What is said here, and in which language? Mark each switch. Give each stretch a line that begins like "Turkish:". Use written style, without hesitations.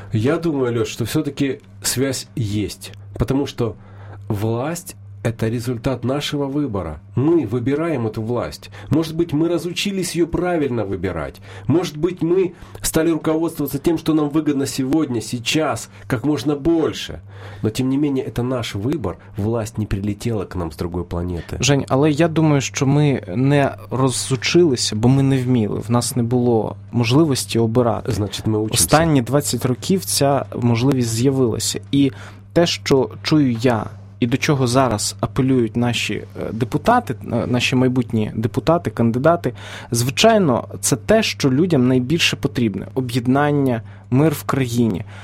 Ukrainian: Я думаю, Льош, що все-таки зв'язь є, тому що
Russian: власть это результат нашего выбора. Мы выбираем эту власть. Может быть, мы разучились ее правильно выбирать. Может быть, мы стали руководствоваться тем, что нам выгодно сегодня, сейчас, как можно больше. Но, тем не менее, это наш выбор. Власть не прилетела к нам с другой планеты.
Ukrainian: Жень, але я думаю, що ми не розучилися, бо ми не вміли. В нас не було можливості обирати. Значить, ми учимося. Останні 20 років ця можливість з'явилася. І те, що чую я, і до чого зараз апелюють наші депутати, наші майбутні депутати, кандидати, звичайно, це те, що людям найбільше потрібне – об'єднання, мир в країні.